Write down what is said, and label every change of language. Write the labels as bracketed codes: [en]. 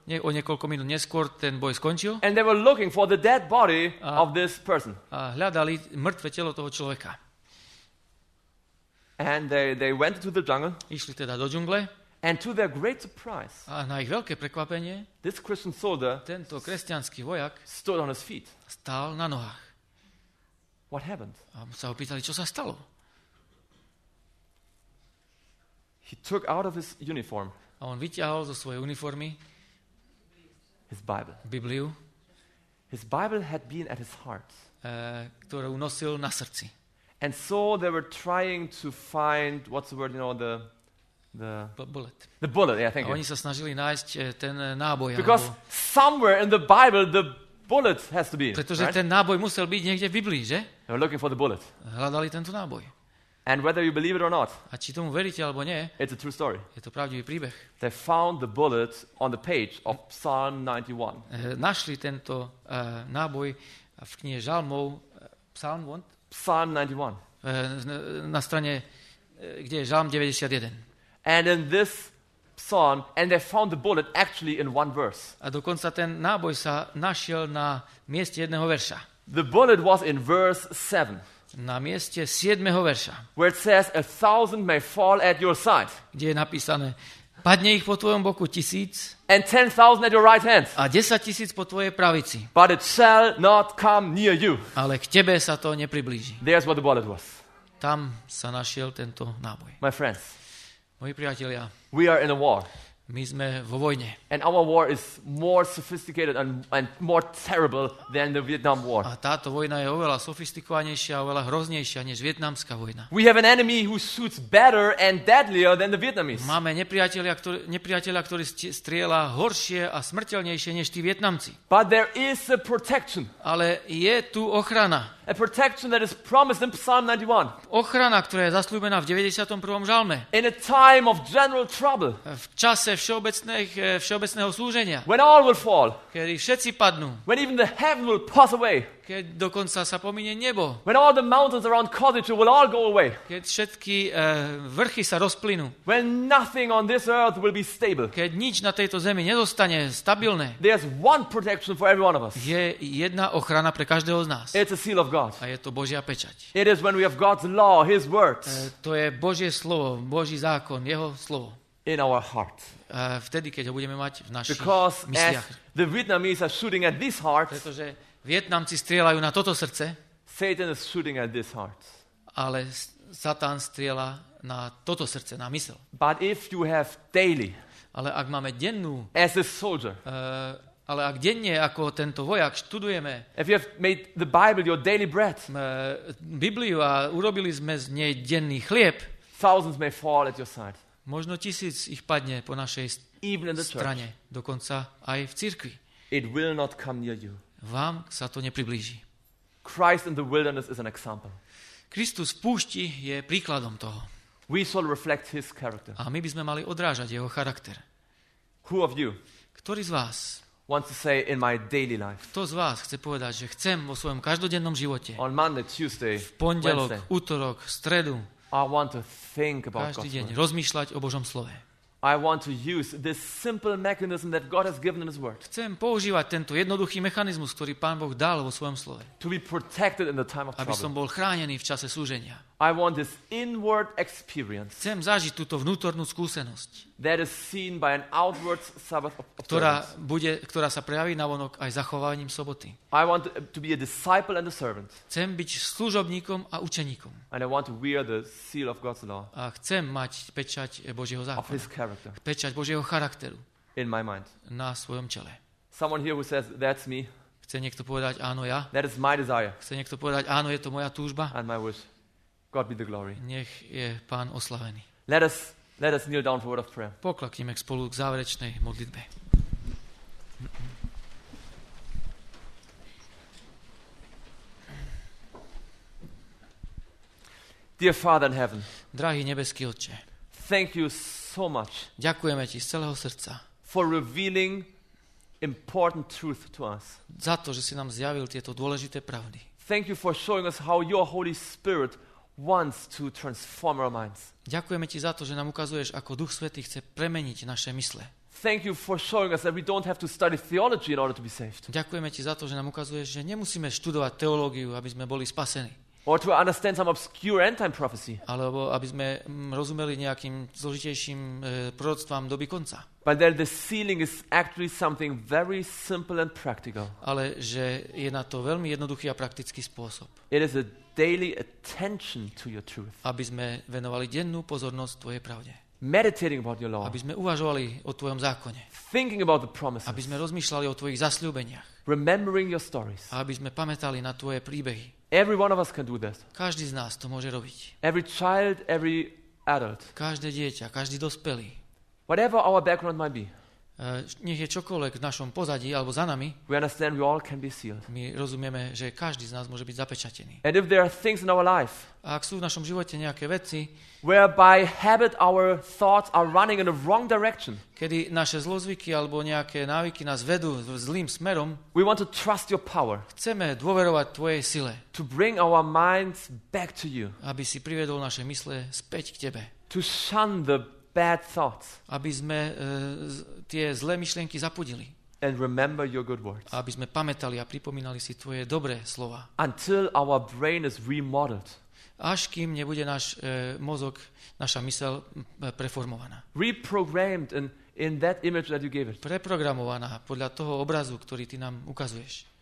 [sk] O niekoľko minút neskôr ten boj skončil. [en] And they were looking for the dead body of this person. [sk] A hľadali mŕtve telo toho človeka. [en] And they went to the jungle. [sk] Išli teda do džungle. [en] And to their great surprise, [sk] a na ich veľké prekvapenie, [en] this Christian soldier, [sk] tento kresťanský vojak, [en] stood on his feet. [sk] Stál na nohách. [en] What happened? [sk] A sa ho pýtali, čo sa stalo. [en] He took out of his uniform. [sk] A on vytiahol zo svojej uniformy [en] his Bible. [sk] Bibliu. [en] His Bible had been at his heart. [sk] Ktorú nosil na srdci. [en] And so they were trying to find what's the word, you know, bullet. The bullet, yeah, thank you. [sk] Oni sa snažili nájsť ten náboj. [en] Because somewhere in the Bible the bullet has to be. [sk] Pretože [en] right? [sk] Ten náboj musel byť niekde v Biblii, že? [en] They were looking for the bullet. [sk] Hľadali tento náboj. [en] And whether you believe it or not. [sk] A či tomu veríte alebo nie? [en] It's a true story. [sk] Je to pravdivý príbeh. [en] They found the bullet on the page of Psalm 91. [sk] Našli tento náboj v knihe Žalmov, Psalm 91. [en] Psalm 91. [sk] Na strane, kde je Žalm 91. [en] And in this psalm, and they found the bullet actually in one verse. [sk] A dokonca ten náboj sa našiel na mieste jedného verša. [en] The bullet was in verse 7. [sk] Na mieste 7. verša. [en] Where it says, a thousand may fall at your side. [sk] Kde je napísané, padne ich po tvojom boku 1000. [en] And 10,000 at your right hand. [sk] A 10,000 po tvojej pravici. [en] But it shall not come near you. [sk] Ale k tebe sa to nepriblíži. [en] There's what the bullet was. [sk] Tam sa našiel tento náboj. [en] My friends. [sk] Moji priatelia, [en] we are in a war. [sk] My sme vo vojne. [en] And our war is more sophisticated and more terrible than the Vietnam War. [sk] A táto vojna je oveľa sofistikovanejšia, oveľa hroznejšia než vietnamská vojna. [en] We have an enemy who shoots better and deadlier than the Vietnamese. [sk] Máme nepriateľa, ktorý strieľa horšie a smrteľnejšie než tí Vietnamci. [en] But there is a protection. [sk] Ale je tu ochrana. [en] A protection that is promised in Psalm 91. [sk] Ochrana, ktorá je zasľúbená v 91. žalme. [en] In a time of general trouble. [sk] V čase všeobecného súženia. [en] When all will fall. [sk] Kedy všetci padnú. [en] When even the heaven will pass away. [sk] Keď dokonca sa pominie nebo. [en] When all the mountains around Kodichu will all go away. [sk] Keď všetky vrchy sa rozplynú. [en] When nothing on this earth will be stable. [sk] Keď nič na tejto zemi nezostane stabilné. [en] There's one protection for every one of us. [sk] Je jedna ochrana pre každého z nás. [en] It's a seal of God. [sk] A je to Božia pečať. [en] It is when we have God's law, his words. [sk] To je Božie slovo, Boží zákon, jeho slovo. [en] In our heart. [sk] Vtedy, keď ho budeme mať v našich [en] Because [sk] mysliach. [en] The Vietnamese are shooting at this heart. [sk] Pretože Vietnamci strieľajú na toto srdce. [en] Satan is shooting at this heart. [sk] Ale Satan strieľa na toto srdce, na mysel. [en] But if you have daily. [sk] Ale ak máme dennú. [en] As a soldier. [sk] Ale ak denne ako tento vojak študujeme. [en] If you have made the Bible your daily bread. [sk] Bibliu a urobili sme z nej denný chlieb. [en] Thousands may fall at your side. [sk] Možno 1000 ich padne po našej strane, dokonca aj v cirkvi. [en] It will not come near you. [sk] Vám sa to nepriblíži. [en] Christ in the wilderness is an example. [sk] Kristus v púšti je príkladom toho. [en] We shall reflect his character. [sk] A my by sme mali odrážať jeho charakter. [en] Who of you? [sk] Ktorý z vás? [en] Wants to say in my daily life. [sk] Kto z vás chce povedať, že chcem vo svojom každodennom živote? [en] On Monday, Tuesday, [sk] v pondelok, utorok, stredu. [en] I want to think about God. [sk] Každý deň rozmýšľať o Božom slove. [en] I want to use this simple mechanism that God has given in his word. [sk] Chcem používať tento jednoduchý mechanizmus, ktorý Pán Boh dal vo svojom slove. [en] To be protected in the time of trouble. [sk] Aby som bol chránený v čase súženia. [en] I want this inward experience. [sk] Chcem zažiť túto vnútornú skúsenosť. [en] That is seen by an outward Sabbath observance. [sk] Ktorá sa prejaví navonok aj zachovaním soboty. [en] I want to be a disciple and a servant. [sk] Chcem byť služobníkom a učeníkom. [en] And I want to wear the seal of God's law. [sk] A chcem mať pečať Božieho zákona. [en] Of his character. [sk] Pečať Božieho charakteru. [en] In my mind. [sk] Na svojom čele. [en] Someone here who says that's me. [sk] Chce niekto povedať áno ja? [en] That is my desire. [sk] Chce niekto povedať áno, je to moja túžba? [en] And my wish. God be the glory. [sk] Nech je Pán oslavený. [en] Let us kneel down for a word of prayer. [sk] Pokľaknime spolu k záverečnej modlitbe. [en] Dear Father in heaven. [sk] Drahý nebeský Otče. [en] Thank you so much. [sk] Ďakujeme ti z celého srdca. [en] For revealing important truth to us. [sk] Za to, že si nám zjavil tieto dôležité pravdy. [en] Thank you for showing us how your Holy Spirit wants to transform our minds. [sk] Ďakujeme ti za to, že nám ukazuješ, ako Duch Svätý chce premeniť naše mysle. [en] Thank you for showing us that we don't have to study theology in order to be saved. [sk] Ďakujeme ti za to, že nám ukazuješ, že nemusíme študovať teológiu, aby sme boli spasení. [en] Or to understand some obscure end time prophecy. [sk] Alebo aby sme rozumeli nejakým zložitejším proroctvám doby konca. [en] But that the sealing is actually something very simple and practical. [sk] Ale že je na to veľmi jednoduchý a praktický spôsob. [en] It is a daily attention to your truth. [sk] Aby sme venovali dennú pozornosť tvojej pravde. [en] Meditating about your law. [sk] Aby sme uvažovali o tvojom zákone. [en] Thinking about the promises. [sk] Aby sme rozmýšľali o tvojich zasľúbeniach. [en] Remembering your stories. [sk] Aby sme pamätali na tvoje príbehy. [en] Every one of us can do that. [sk] Každý z nás to môže robiť. [en] Every child, every adult. [sk] Každé dieťa, každý dospelý. [en] Whatever our background might be. [sk] Nech je čokoľvek v našom pozadí alebo za nami. [en] We understand we all can be sealed. [sk] My rozumieme, že každý z nás môže byť zapečatený. [en] And if there are things in our life. [sk] A ak sú v našom živote nejaké veci. [en] Where by habit our thoughts are running in the wrong direction. [sk] Kedy naše zlozvyky alebo nejaké návyky nás vedú zlým smerom. [en] We want to trust your power. [sk] Chceme dôverovať tvojej sile. [en] To bring our minds back to you. [sk] Aby si priviedol naše mysle späť k tebe. [en] To shun the bad thoughts. [sk] Aby sme tie zlé myšlienky zapudili. [en] And remember your good words. [sk] Aby sme pamätali a pripomínali si tvoje dobré slova. [en] Until our brain is remodeled. [sk] Až kým nebude náš mozog, naša myseľ preformovaná. [en] Reprogrammed in that image that you gave it. [sk] Preprogramovaná podľa toho obrazu, ktorý ty nám ukazuješ.